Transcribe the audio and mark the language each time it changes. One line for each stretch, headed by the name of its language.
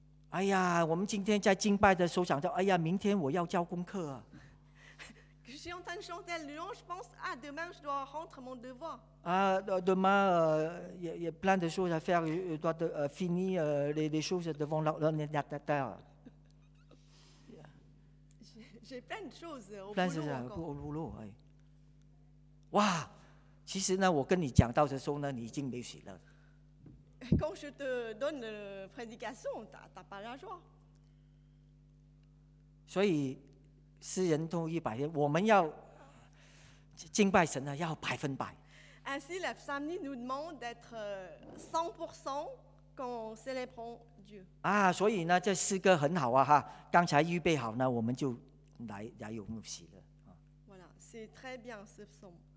Chinese: 哎呀, 我们今天在敬拜的时候想到, 哎呀, 明天我要交功课。
French: Je suis en train de chanter le long, je pense, ah, demain je dois rendre mon devoir. Ah, demain, il y a plein de choses à faire, je dois finir les choses devant l'ordinateur. J'ai plein de choses au boulot encore. Plein de choses au boulot, oui. Waouh!
Chinese: 其实呢,我跟你讲到的时候呢,你已经没喜乐了。
French: Quand je te donne la prédication, tu n'as pas la joie.
Chinese: 所以,诗人都100%,我们要敬拜神呢,要100%。
French: Ainsi, la psalmie nous demande d'être 100% quand on célèbre Dieu.
Chinese: 所以呢,这诗歌很好啊,刚才预备好呢,我们就来有喜了。
French: Voilà, c'est très bien ce psaume.